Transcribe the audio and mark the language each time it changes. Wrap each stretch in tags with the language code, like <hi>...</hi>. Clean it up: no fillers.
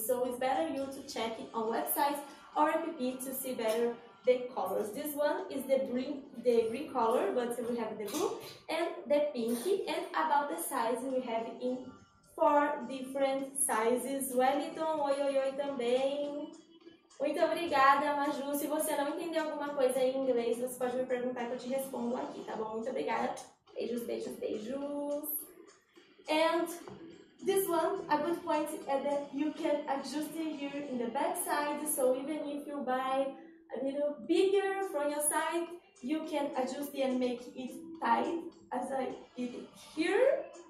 <en>So it's better you to check it on websites or app to see better the colors. This one is the green color, but we have the blue and the pinky. And about the size, we have it in four different sizes.</en> <pt>Wellington, oi, oi, oi também. Muito obrigada, Maju. Se você não entendeu alguma coisa em inglês, você pode me perguntar que eu te respondo aqui, tá bom? Muito obrigada. Beijos, beijos, beijos.</pt> <en>And this one, a good point is that you can adjust it here in the back side. So even if you buy a little bigger from your side, you can adjust it and make it tight as I did here.</en>